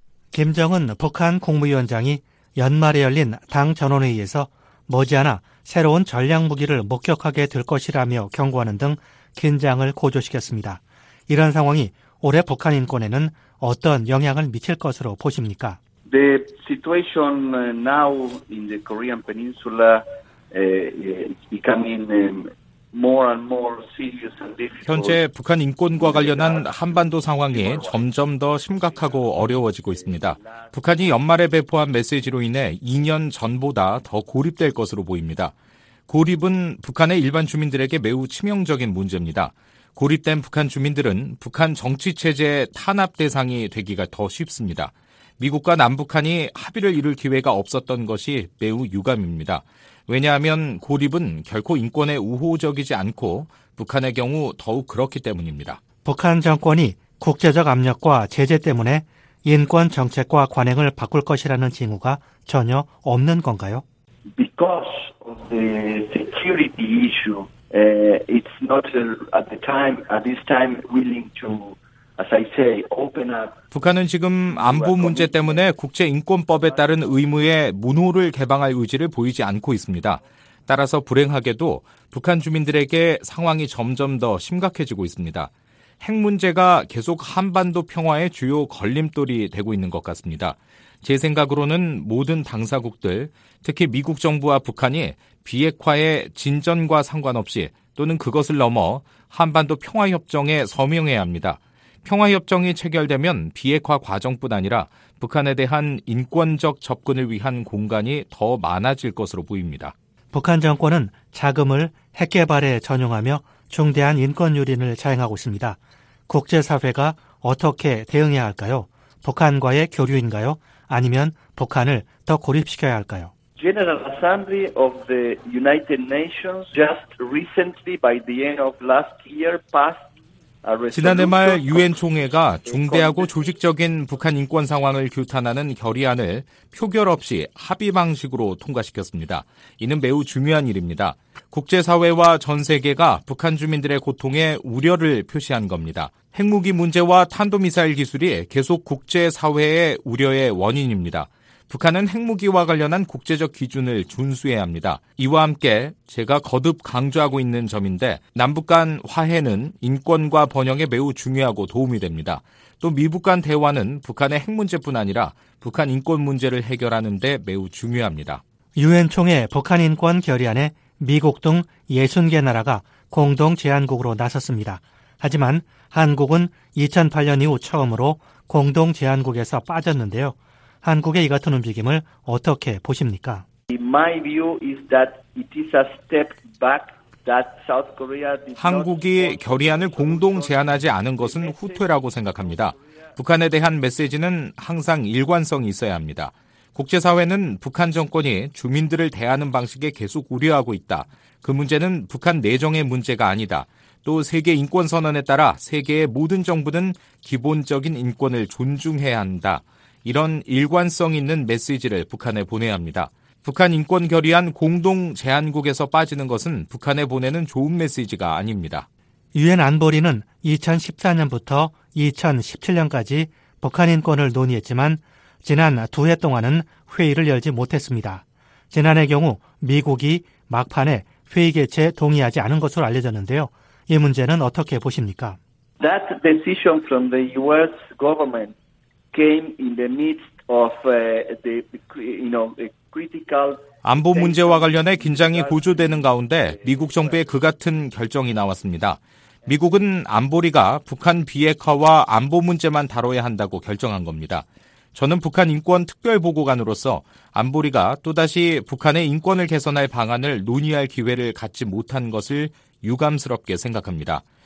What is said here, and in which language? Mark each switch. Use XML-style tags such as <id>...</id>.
<ko>김정은 북한 국무위원장이 연말에 열린 당 전원회의에서 머지않아 새로운 전략무기를 목격하게 될 것이라며 경고하는 등 긴장을 고조시켰습니다. 이런 상황이 올해 북한 인권에는 어떤 영향을 미칠 것으로 보십니까?</ko> <en>The situation now in the Korean Peninsula is becoming more and more serious and difficult.</en> <ko>현재 북한 인권과 관련한 한반도 상황이 점점 더 심각하고 어려워지고 있습니다. 북한이 연말에 배포한 메시지로 인해 2년 전보다 더 고립될 것으로 보입니다. 고립은 북한의 일반 주민들에게 매우 치명적인 문제입니다. 고립된 북한 주민들은 북한 정치 체제의 탄압 대상이 되기가 더 쉽습니다. 미국과 남북한이 합의를 이룰 기회가 없었던 것이 매우 유감입니다. 왜냐하면 고립은 결코 인권에 우호적이지 않고 북한의 경우 더욱 그렇기 때문입니다. 북한 정권이 국제적 압력과 제재 때문에 인권 정책과 관행을 바꿀 것이라는 징후가 전혀 없는 건가요?</ko> <en>Because of the security issue, it's not at the time, at this time willing to, as I say, open up.</en> <ko>북한은 지금 안보 문제 때문에 국제인권법에 따른 의무의 문호를 개방할 의지를 보이지 않고 있습니다. 따라서 불행하게도 북한 주민들에게 상황이 점점 더 심각해지고 있습니다. 핵 문제가 계속 한반도 평화의 주요 걸림돌이 되고 있는 것 같습니다. 제 생각으로는 모든 당사국들, 특히 미국 정부와 북한이 비핵화의 진전과 상관없이 또는 그것을 넘어 한반도 평화협정에 서명해야 합니다. 평화협정이 체결되면 비핵화 과정뿐 아니라 북한에 대한 인권적 접근을 위한 공간이 더 많아질 것으로 보입니다. 북한 정권은 자금을 핵 개발에 전용하며 중대한 인권 유린을 자행하고 있습니다. 국제사회가 어떻게 대응해야 할까요? 북한과의 교류인가요? 아니면 북한을 더 고립시켜야 할까요?</ko> <en>General Assembly of the United Nations just recently by the end of last year passed a resolution.</en> <ko>지난해 말 유엔 총회가 중대하고 조직적인 북한 인권 상황을 규탄하는 결의안을 표결 없이 합의 방식으로 통과시켰습니다. 이는 매우 중요한 일입니다. 국제사회와 전 세계가 북한 주민들의 고통에 우려를 표시한 겁니다. 핵무기 문제와 탄도미사일 기술이 계속 국제사회의 우려의 원인입니다. 북한은 핵무기와 관련한 국제적 기준을 준수해야 합니다. 이와 함께 제가 거듭 강조하고 있는 점인데 남북 간 화해는 인권과 번영에 매우 중요하고 도움이 됩니다. 또 미북 간 대화는 북한의 핵 문제뿐 아니라 북한 인권 문제를 해결하는 데 매우 중요합니다. 유엔 총회 북한 인권 결의안에 미국 등 60개 나라가 공동 제안국으로 나섰습니다. 하지만 한국은 2008년 이후 처음으로 공동 제안국에서 빠졌는데요. 한국의 이 같은 움직임을 어떻게 보십니까?</ko> <en>My view is that it is a step back that South Korea.</en> <ko>한국이 결의안을 공동 제안하지 않은 것은 후퇴라고 생각합니다. 북한에 대한 메시지는 항상 일관성이 있어야 합니다. 국제사회는 북한 정권이 주민들을 대하는 방식에 계속 우려하고 있다. 그 문제는 북한 내정의 문제가 아니다. 또 세계 인권 선언에 따라 세계의 모든 정부는 기본적인 인권을 존중해야 한다. 이런 일관성 있는 메시지를 북한에 보내야 합니다. 북한 인권 결의안 공동 제안국에서 빠지는 것은 북한에 보내는 좋은 메시지가 아닙니다. 유엔 안보리는 2014년부터 2017년까지 북한 인권을 논의했지만 지난 두 해 동안은 회의를 열지 못했습니다. 지난해 경우 미국이 막판에 회의 개최에 동의하지 않은 것으로 알려졌는데요. 이 문제는 어떻게 보십니까?</ko> <en>That decision from the US government came in the midst of the critical</en> <ko>안보 문제와 관련해 긴장이 고조되는 가운데 미국 정부의 그 같은 결정이 나왔습니다. 미국은 안보리가 북한 비핵화와 안보 문제만 다뤄야 한다고 결정한 겁니다. 저는 북한 인권 특별 보고관으로서 안보리가 또다시 북한의 인권을 개선할 방안을 논의할 기회를 갖지 못한 것을 유감스럽게 생각합니다.</ko>